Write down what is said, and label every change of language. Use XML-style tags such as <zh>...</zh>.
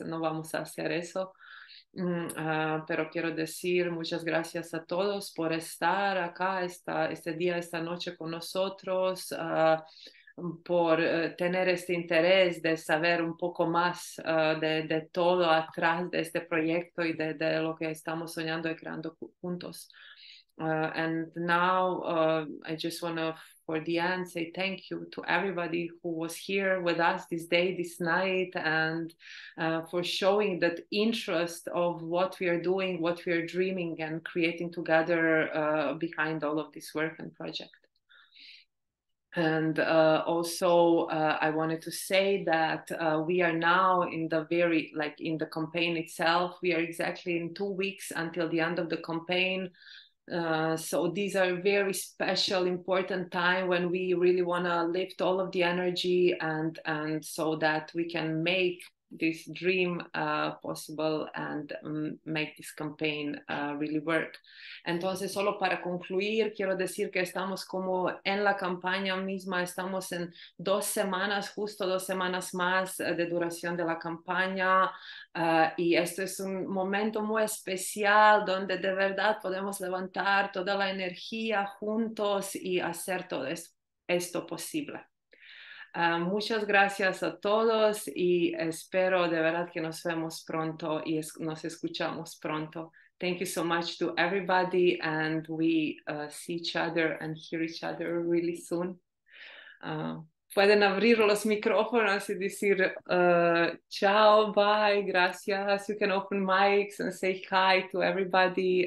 <es>No vamos a hacer eso. Pero quiero decir muchas gracias a todos por estar acá este día, esta noche con nosotros, por tener este interés de saber un poco más de todo atrás de este proyecto y de lo que estamos soñando y creando juntos.</es> <en>And now I just want to, for the end, say thank you to everybody who was here with us this day, this night, and for showing that interest of what we are doing, what we are dreaming and creating together behind all of this work and project. And also, I wanted to say that we are now in the very, like in the campaign itself, we are exactly in 2 weeks until the end of the campaign. So these are very special, important time when we really want to lift all of the energy and so that we can make this dream possible and make this campaign really work.</en> <es>Entonces, solo para concluir, quiero decir que estamos como en la campaña misma, estamos en 2 semanas, justo 2 semanas más de duración de la campaña. Y esto es un momento muy especial donde de verdad podemos levantar toda la energía juntos y hacer todo esto posible. Muchas gracias a todos y espero de verdad que nos vemos pronto y nos escuchamos pronto.</es> <en>Thank you so much to everybody and we see each other and hear each other really soon.</en> <es>Pueden abrir los micrófonos y decir chao, bye, gracias.</es> <en>You can open mics and say hi to everybody.</en>